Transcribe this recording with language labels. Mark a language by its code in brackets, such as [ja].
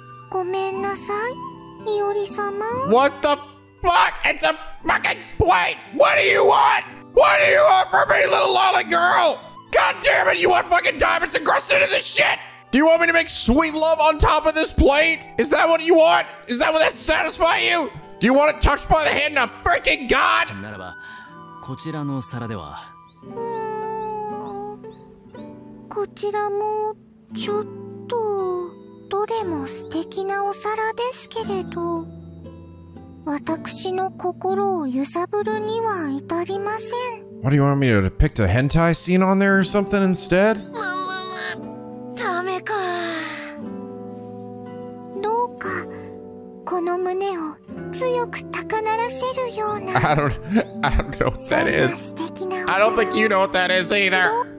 [ja] ごめんなさい、イオリ様。 [en] What the fuck? It's a fucking plate! What do you want? What do you want from me, little lolly girl? God damn it, you want fucking diamonds encrusted in this shit? Do you want me to make sweet love on top of this plate? Is that what you want? Is that what that satisfy you? Do you want it touched by the hand of freaking God? [ja] ならば、こちらの皿では… こちらも、ちょっと…どれも素敵なお皿ですけれど…私の心を揺さぶるには至りません。 [en] What do you want me to depict a hentai scene on there or something instead? [ja] ダメか… どうか…この胸を強く高鳴らせるような [en] I don't know what that is. I don't think you know what that is either.